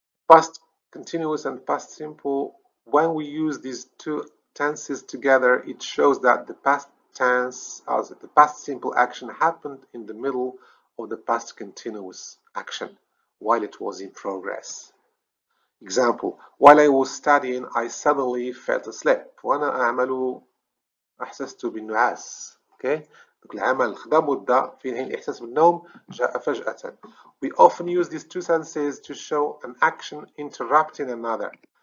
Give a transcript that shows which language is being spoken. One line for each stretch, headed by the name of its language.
English: Past continuous and past simple, when we use these two tenses together, it shows that the past tense, as the past simple action, happened in the middle of the past continuous action while it was in progress. Example, while I was studying, I suddenly fell asleep.
Arabic: وانا اعمل احسست بالنعاس. Okay, العمل خدا مدة في حين الإحساس بالنوم جاء فجأة.
English: We often use these two senses to show an action interrupting another.